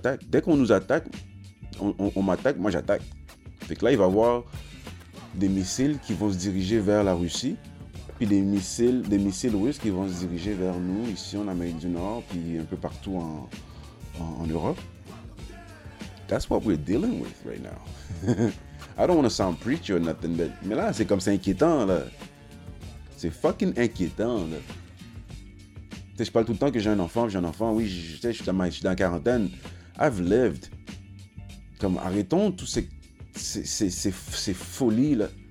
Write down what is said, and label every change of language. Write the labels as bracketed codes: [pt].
[fr] Dès qu'on nous attaque, on m'attaque, moi j'attaque. Fait que là, il va y avoir des missiles qui vont se diriger vers la Russie, puis des missiles russes qui vont se diriger vers nous, ici en Amérique du Nord, puis un peu partout en Europe. [en] That's what we're dealing with right now. I don't want to sound preachy or nothing, but, [fr] mais là, c'est comme c'est inquiétant, là. C'est fucking inquiétant, là. Tu sais, je parle tout le temps que j'ai un enfant. Oui, tu sais, je suis dans la quarantaine. [en] I've lived. [fr] Comme, arrêtons toutes ces folies, là.